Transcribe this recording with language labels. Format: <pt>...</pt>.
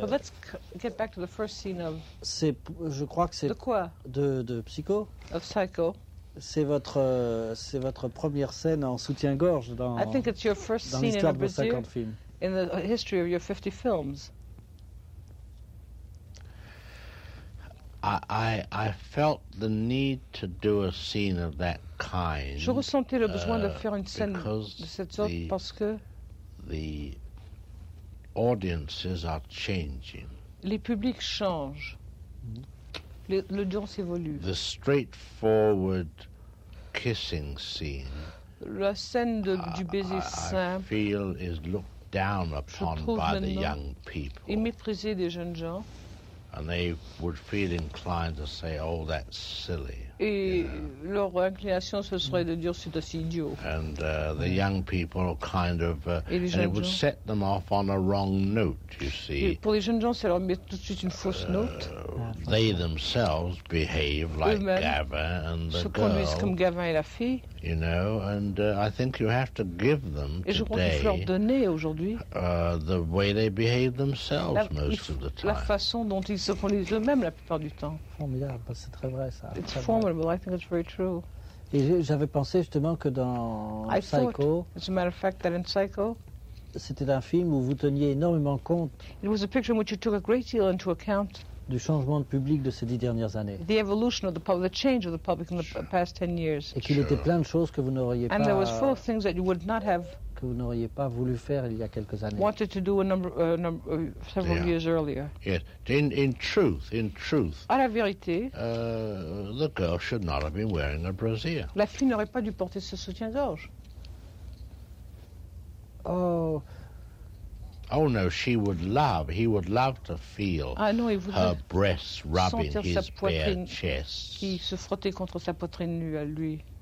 <en>But let's get back to the first scene of.</en> <fr>C'est, je crois que c'est. De quoi? De Psycho.</fr> <en>Of Psycho.</en> <fr>C'est votre première scène en soutien-gorge dans.</fr> <en>I think it's your first scene in</en> <fr>l'histoire de vos 50 films.</fr> <en>In the history of your 50 films. I felt the need to do a scene of that kind.</en> <fr>Je ressentais le besoin de faire une scène de cette sorte parce que.</fr> <en>The audiences are changing.</en> <fr>Les publics changent. L'audience évolue.</fr> <en>The straightforward kissing scene.</en> <fr>La scène de, du baiser simple.</fr> <en>I feel is looked down upon by the young people.</en> <fr>Est méprisé des jeunes gens.</fr> <en>And they would feel inclined to say, "Oh, that's silly."</en> <fr>Et leur inclination ce serait de dire c'est aussi idiot.</fr> <en>And the young people are kind of and it would set them off on a wrong note, you see.</en> <fr>Et pour les jeunes gens, ça leur met tout de suite une fausse note.</fr> <en>They themselves behave like Gavin and the</en> <fr>se</fr> <en>girl.</en> <fr>Se conduisent comme Gavin et la fille.</fr> <en>You know, and I think you have to give them</en> <fr>et Et je crois qu'il faut leur donner aujourd'hui.</fr> <en>The way they behave themselves most of the time.</en> <fr>La façon dont ils se conduisent eux-mêmes la plupart du temps. Formidable, c'est très vrai ça.</fr> <en>It's formidable. I think it's very true.</en> <fr>Et j'avais pensé justement que dans Psycho,</fr> <en>as a matter of fact, that in Psycho,</en> <fr>c'était un film où vous teniez énormément compte.</fr> <en>It was a picture in which you took a great deal into account.</en> <fr>Du changement de public de ces 10 dernières années.</fr> <en>The evolution of the public, the change of the public in the past 10 years.</en> <fr>Et qu'il était plein de choses que vous n'auriez pas.</fr> <en>And there was full of things that you would not have.</en> <fr>Que vous n'auriez pas voulu faire il y a quelques années.</fr> <en>Wanted to do a number, several years earlier. Yes, in truth.</en> <fr>À la vérité.</fr> <en>The girl should not have been wearing a brassiere.</en> <fr>La fille n'aurait pas dû porter ce soutien-gorge. Oh.</fr> <en>Oh no, she would love. He would love to feel her breasts rubbing his bare chest.</en> <fr>Qui se frottait contre sa poitrine nue à lui.</fr>